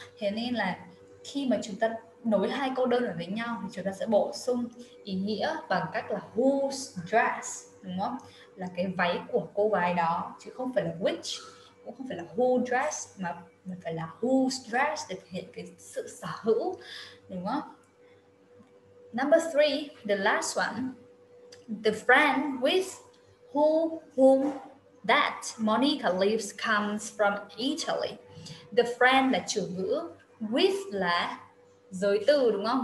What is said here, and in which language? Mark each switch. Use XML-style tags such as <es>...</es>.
<vi>Thế nên là khi mà chúng ta nối hai câu đơn lại với nhau thì chúng ta sẽ bổ sung ý nghĩa bằng cách là whose dress, đúng không? Là cái váy của cô gái đó, chứ không phải là which, cũng không phải là who dress, mà mình phải là whose dress để thể hiện cái sự sở hữu, đúng không?</vi> <en>Number three, the last one, the friend with who, whom, that Monica lives comes from Italy.</en> <vi>The friend là chủ ngữ, with là giới từ, đúng không?</vi>